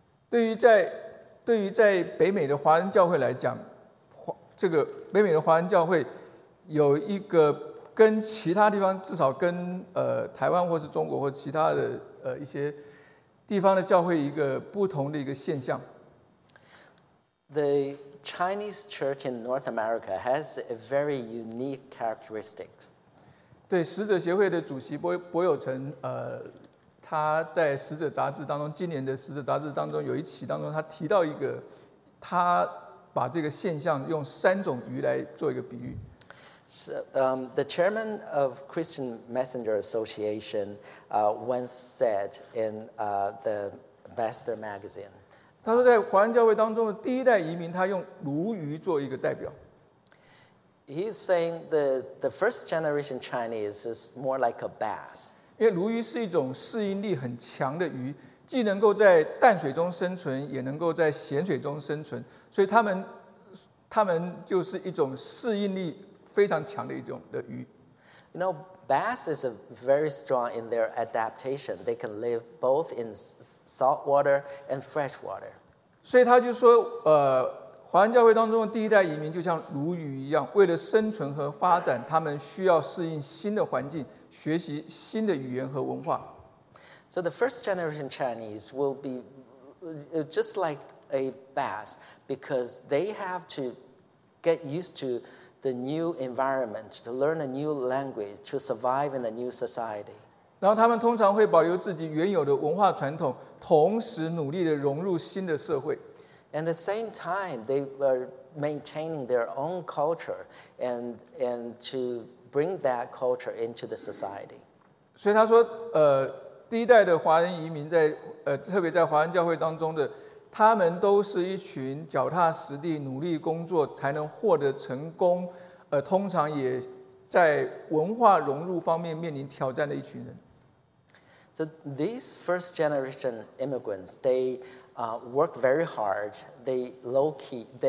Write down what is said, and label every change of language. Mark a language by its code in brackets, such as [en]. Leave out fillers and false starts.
[zh] 对于在北美的华人教会来讲，这个北美的华人教会有一个跟其他地方，至少跟台湾或是中国或其他的一些地方的教会一个不同的一个现象。 [en] The Chinese church in North America has a very unique characteristics. [zh] 对，使者协会的主席柏友成，他在使者杂志当中，今年的使者杂志当中有一期当中，他提到一个，他把这个现象用三种鱼来做一个比喻。 [en] So, the chairman of Christian Messenger Association once said in the Master Magazine. [zh] 他说在华人教会当中的第一代移民，他用鲈鱼做一个代表。 [en] He's saying the first generation Chinese is more like a bass. [zh] 因为鲈鱼是一种适应力很强的鱼，既能够在淡水中生存，也能够在咸水中生存，所以他们就是一种适应力非常强的一种的鱼。 [en] You know, bass is a very strong in their adaptation. They can live both in salt water and fresh water. [zh] 所以他就说，华人教会当中的第一代移民就像鲈鱼一样，为了生存和发展，他们需要适应新的环境，学习新的语言和文化。 [en] So the first generation Chinese will be just like a bass because they have to get used to the new environment, to learn a new language, to survive in a new society. [zh] 然后他们通常会保留自己原有的文化传统，同时努力地融入新的社会。 [en] At the same time, they are maintaining their own culture and to bring that culture into the society. [zh] 所以他说，第一代的华人移民在特别在华人教会当中的，他们都是一群脚踏实地努力工作才能获得成功，通常也在文化融入方面面临挑战的一群人。 [en] So these first generation immigrants, they work very hard. They low key.